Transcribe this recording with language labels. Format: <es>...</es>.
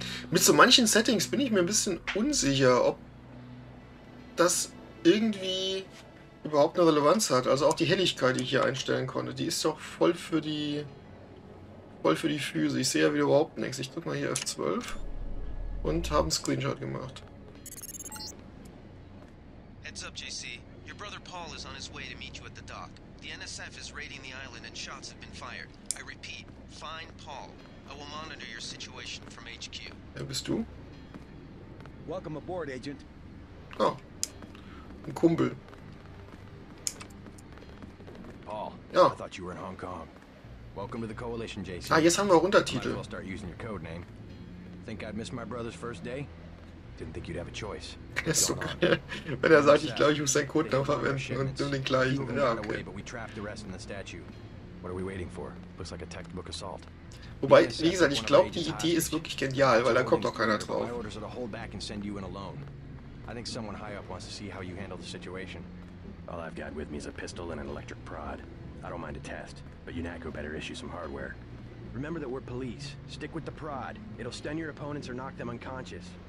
<de>Mit so manchen Settings bin ich mir ein bisschen unsicher, ob das irgendwie überhaupt eine Relevanz hat. Also auch die Helligkeit, die ich hier einstellen konnte, die ist doch voll für die Füße. Ich sehe ja wieder überhaupt nichts. Ich drücke mal hier F12 und habe einen Screenshot gemacht.</de> <en>Heads up, JC. Your brother Paul is on his way to meet you at the dock. The NSF is raiding the island and shots have been fired. I repeat, find Paul. I will monitor your situation from HQ.</en> <de>Wer bist du?</de> <en>Welcome aboard, Agent.</en> <de>Oh. Ein Kumpel. Paul. Ja.</de> <en>I thought you were in Hong Kong. Welcome to the Coalition, JC.</en> <de>Ah, jetzt haben wir auch Untertitel.</de> <en>I'll start using your code name. Think I'd miss my brother's first day? Didn't think you'd have a choice.</en> <de>Das ist so geil. Wenn er sagt, ich glaube, ich muss seinen Code verwenden und nimm den gleichen. Ja,</de> <en>okay. But we trapped the rest in the statue. What are we waiting for? Looks like a textbook assault.</en> <de>Wobei, wie gesagt, ich glaube, die Idee ist wirklich genial, weil da kommt doch keiner drauf.</de> <en>I ordered to hold back and send you in alone. I think someone high up wants to see how you handle the situation. All I've got with me is a pistol and an electric prod. I don't mind a test, but you Unaco better issue some hardware. Remember that we're police. Stick with the prod. It'll stun your opponents or knock them unconscious.</en>